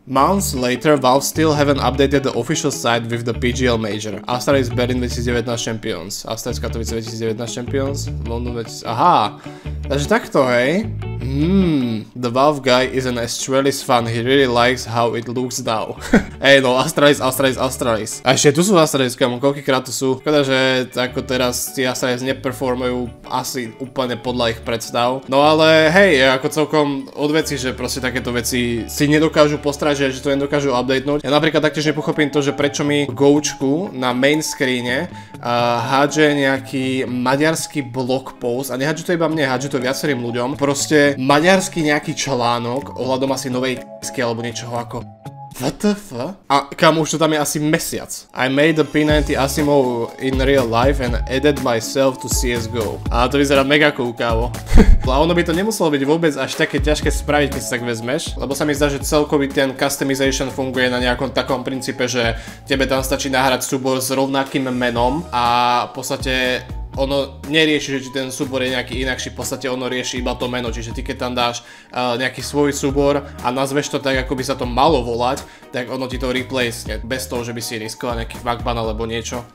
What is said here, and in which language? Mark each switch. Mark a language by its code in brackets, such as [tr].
[en] Months later, Valve still haven't updated the official site with the PGL Major. Astralis Berlin 2019 Champions. Astralis Katowice 2019 Champions. London 2019... Aha! [sk] Takže takto, hej? [en] The Valve guy is an Astralis fan. He really likes how it looks now. [sk] Hej, no, Astralis. A ešte tu sú Astralis, kamo, koľkýkrát tu sú. Škoda, že ako teraz tie Astralis neperformujú asi úplne podľa ich predstav. No ale, hej, je ako celkom odveci, že proste takéto veci si nedokážu postrať, že to nedokážu updatenúť. Ja napríklad taktiež nepochopím to, že prečo mi goučku na main screene hádže nejaký maďarský blog post, a nehádže to iba mne, hádže to viacerým ľuďom, proste maďarský nejaký článok ohľadom asi novej k***ky alebo niečoho ako [en] what the fuck? [sk] A kam už to tam je asi mesiac. [en] I made the P90 Asimo in real life and added myself to CSGO. [sk] A to vyzerá mega cool, kávo. A ono by to nemuselo byť vôbec až také ťažké spraviť, keď si tak vezmeš. Lebo sa mi zdá, že celkový ten customization funguje na nejakom takom princípe, že tebe tam stačí nahrať súbor s rovnakým menom a v podstate ono nerieši, že či ten súbor je nejaký inakší, v podstate ono rieši iba to meno, čiže ty keď tam dáš nejaký svoj súbor a nazveš to tak, ako by sa to malo volať, tak ono ti to replace, bez toho, že by si riskoval nejaký fuckban alebo niečo.